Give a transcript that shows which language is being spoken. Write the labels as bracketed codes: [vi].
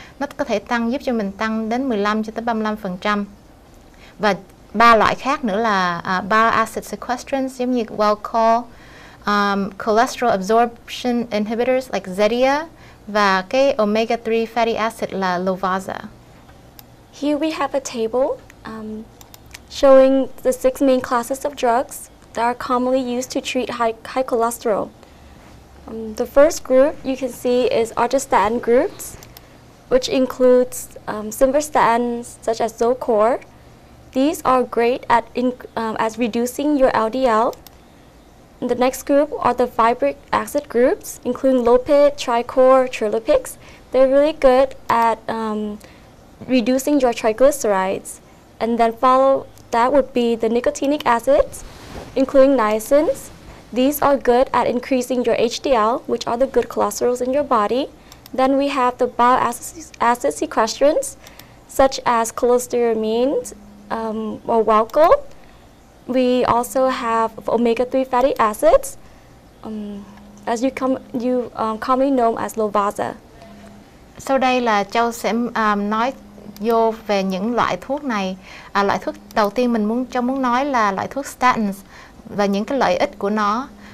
[vi] Nó có thể tăng giúp cho mình tăng đến 15-35%. Và ba loại khác nữa là bile acid sequestrants, giống như Wellcol, [en] cholesterol absorption inhibitors like Zetia, [vi] và cái omega 3 fatty acid là Lovaza. [en] Here we have a table showing the six main classes of drugs that are commonly used to treat high cholesterol. The first group you can see is orthostatin groups, which includes simvastatin such as Zocor. These are great at as reducing your LDL. And the next group are the fibric acid groups, including Lopit, Tricor, Trilipix. They're really good at reducing your triglycerides. And then follow that would be the nicotinic acids, including niacin. These are good at increasing your HDL, which are the good cholesterols in your body. Then we have the bile acid sequestrants, such as cholestyramine or Wellcol. We also have omega-3 fatty acids, as you commonly known as Lovaza. [vi] Sau đây là Châu sẽ nói vô về những loại thuốc này. Loại thuốc đầu tiên mình muốn cho muốn nói là loại thuốc statins và những cái lợi ích của nó.